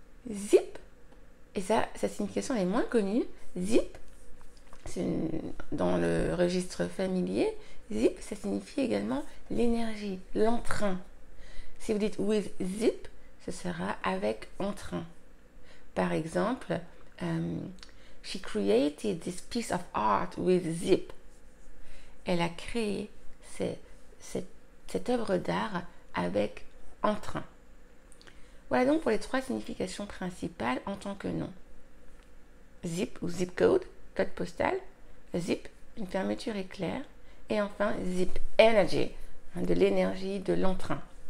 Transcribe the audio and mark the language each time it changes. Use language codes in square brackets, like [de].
[fr] Zip, et ça, sa signification est moins connue, zip, c'est dans le registre familier, zip, ça signifie également l'énergie, l'entrain. Si vous dites [en] with zip, [fr] ce sera avec entrain. Par exemple, [en] she created this piece of art with zip. [fr] Elle a créé cette œuvre d'art avec entrain. Voilà donc pour les trois significations principales en tant que nom. Zip ou zip code, code postal. Zip, une fermeture éclair. Et enfin, zip energy, de l'énergie, de l'entrain.